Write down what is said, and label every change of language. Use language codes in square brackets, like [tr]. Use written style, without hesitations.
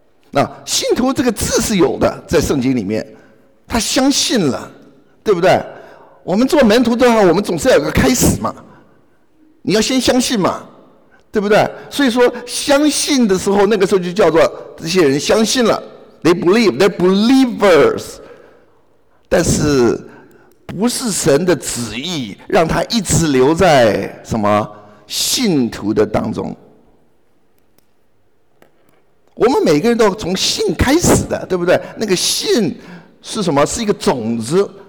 [zh] 那信徒这个字是有的，在圣经里面，他相信了，对不对？我们做门徒的话，我们总是要有个开始嘛，你要先相信嘛，对不对？所以说相信的时候，那个时候就叫做这些人相信了。 [en] They believe, they're believers. [zh] 但是不是神的旨意让他一直留在什么信徒的当中。我们每个人都从信开始的，对不对？那个信是什么？是一个种子。